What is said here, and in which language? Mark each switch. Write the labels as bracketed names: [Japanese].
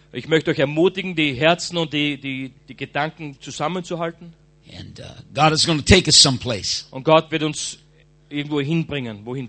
[German] Ich möchte euch ermutigen, die Herzen und die Gedanken zusammenzuhalten. [English] And God is going to take us someplace. [German] Und Gott wird uns irgendwo hinbringen.